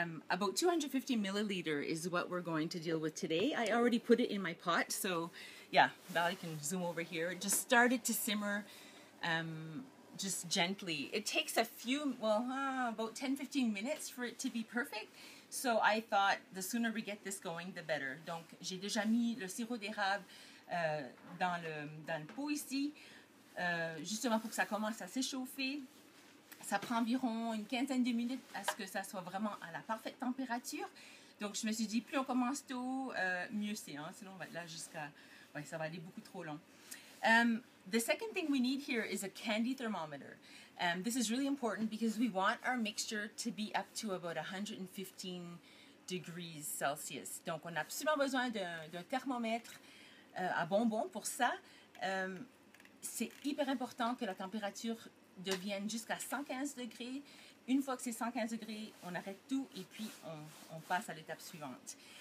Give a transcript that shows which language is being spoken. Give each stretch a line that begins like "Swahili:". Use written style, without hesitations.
English: About 250 milliliter is what we're going to deal with today. I already put it in my pot, so yeah, Valley can zoom over here. Just started to simmer just gently. It takes a few, about 10-15 minutes for it to be perfect. So I thought the sooner we get this going, the better.
French: Donc, j'ai déjà mis le sirop d'érable dans le pot ici, justement pour que ça commence à s'échauffer. Ça prend environ une quinzaine de minutes à ce que ça soit vraiment à la parfaite température. Donc, je me suis dit, plus on commence tôt, mieux c'est. Hein? Sinon, on va être là jusqu'à... Ouais, ça va aller beaucoup trop long.
English: The second thing we need here is a candy thermometer. This is really important because we want our mixture to be up to about 115 degrees Celsius.
French: Donc, on a absolument besoin d'un thermomètre à bonbons pour ça. C'est hyper important que la température deviennent jusqu'à 115 degrés. Une fois que c'est 115 degrés, on arrête tout et puis on passe à l'étape suivante.